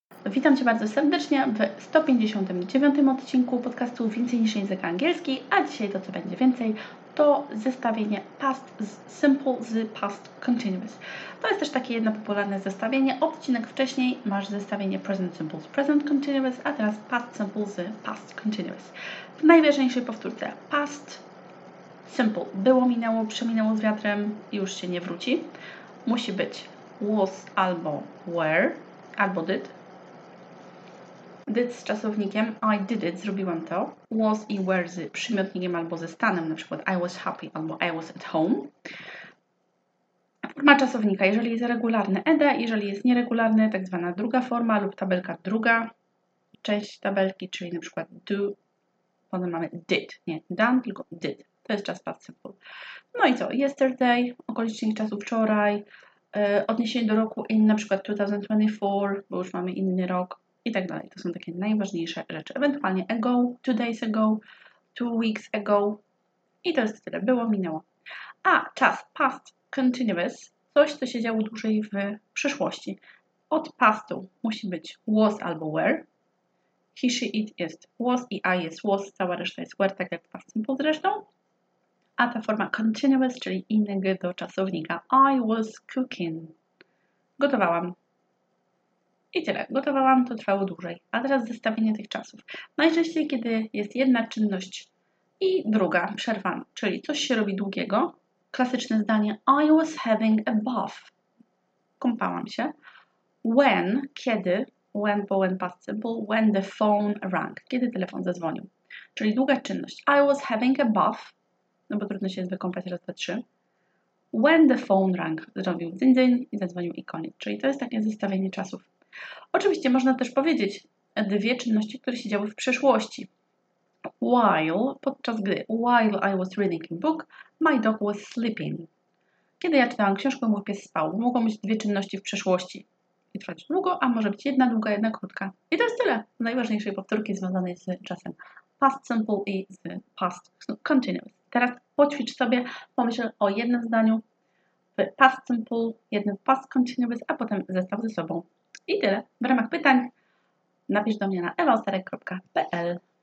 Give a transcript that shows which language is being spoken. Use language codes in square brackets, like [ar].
[pl] Witam Cię bardzo serdecznie w 159 odcinku podcastu Więcej niż język angielski, a dzisiaj to, co będzie więcej, to zestawienie past z simple z past continuous. To jest też takie jedno popularne zestawienie. Odcinek wcześniej masz zestawienie present simple z present continuous, a teraz past simple z past continuous. W najważniejszej powtórce, past simple, było, minęło, przeminęło z wiatrem, już się nie wróci. Musi być was albo were, albo did. Did z czasownikiem, [en] I did it, [pl] zrobiłam to. Was i were z przymiotnikiem albo ze stanem, na przykład [en] I was happy [pl] albo [en] I was at home. [pl] Forma czasownika, jeżeli jest regularny, eda, jeżeli jest nieregularny, tak zwana druga forma lub tabelka druga, część tabelki, czyli na przykład do, potem mamy did, nie done, tylko did. To jest czas past simple. No i co? Yesterday, okolicznik czasu wczoraj, odniesienie do roku in, na przykład 2024, bo już mamy inny rok. I tak dalej. To są takie najważniejsze rzeczy. Ewentualnie ago, 2 days ago, 2 weeks ago. I to jest tyle. Było, minęło. A czas past continuous. Coś, co się działo dłużej w przyszłości. Od pastu musi być was albo were. He, she, it jest was i I jest was. Cała reszta jest were, tak jak w past simple zresztą. A ta forma continuous, czyli innego do czasownika. [en] I was cooking. [pl] Gotowałam. I tyle. Gotowałam, to trwało dłużej. A teraz zestawienie tych czasów. Najczęściej, kiedy jest jedna czynność i druga przerwana, czyli coś się robi długiego, klasyczne zdanie [en] I was having a bath. [pl] Kąpałam się. When, kiedy, when, bo when past simple, [en] when the phone rang, [pl] kiedy telefon zadzwonił. Czyli długa czynność. [en] I was having a bath, [pl] no bo trudno się jest wykąpać raz, dwa, trzy. [en] When the phone rang, [pl] zrobił dzyń, dzyń i zadzwonił i koniec. Czyli to jest takie zestawienie czasów. Oczywiście można też powiedzieć dwie czynności, które się działy w przeszłości. [en] While, [pl] podczas gdy, [en] while I was reading a book, my dog was sleeping. [pl] Kiedy ja czytałam książkę, mój pies spał. Mogą być dwie czynności w przeszłości. I trwać długo, a może być jedna długa, jedna krótka. I to jest tyle z najważniejszej powtórki związanej z czasem past simple i z past continuous. Teraz poćwicz sobie, pomyśl o jednym zdaniu w past simple, jednym w past continuous, a potem zestaw ze sobą. I tyle. W ramach pytań napisz do mnie na ewaostarek.pl.